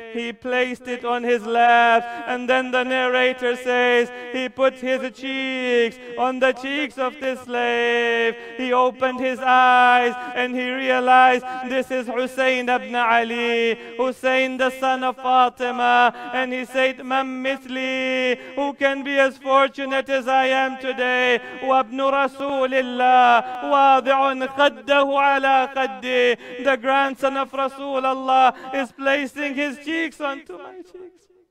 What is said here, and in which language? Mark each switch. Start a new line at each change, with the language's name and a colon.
English: He placed it on his lap. And then the narrator says, he put his cheeks on the cheeks of this slave. He opened his eyes and he realized this is Hussein ibn Ali, Hussein the son of Fatima. And he said,
Arabic: Man mithli,
English: who can be as fortunate as I am today?
Arabic: وابن رسول الله واضع قده على قدي.
English: The grandson of Rasulullah is placing his cheeks onto my cheeks.